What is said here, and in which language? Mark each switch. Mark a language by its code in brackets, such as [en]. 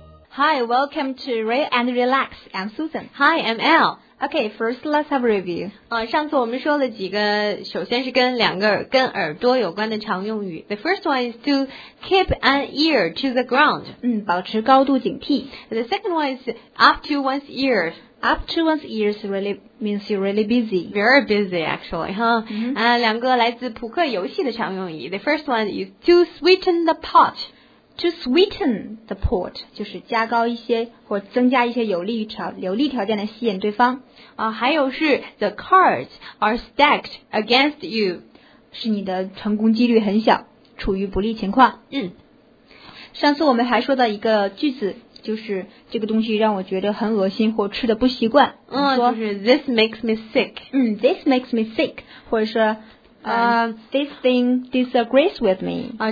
[en] Hi, welcome to Ray and Relax. I'm Susan. Hi, I'm Al. Okay, first let's have a review. [zh] 上次我们说了几个，首先是跟耳朵有关的常用语。 [en] The first one is to keep an ear to the ground. [zh] 保持高度警惕。 [en] The second one is up to one's ears. Up to one's ears really means you're really busy. Very busy, actually, huh? Mm-hmm. [zh] 两个来自扑克游戏的常用语。 [en] The first one is to sweeten the pot. To sweeten the pot [zh] 就是加高一些或增加一些有利条件的吸引对方啊，还有是 [en] the cards are stacked against you， [zh] 是你的成功几率很小，处于不利情况。上次我们还说到一个句子，就是这个东西让我觉得很恶心或吃的不习惯。就是 [en] this makes me sick。 This makes me sick， [zh] 或者是。 [en] This thing disagrees with me.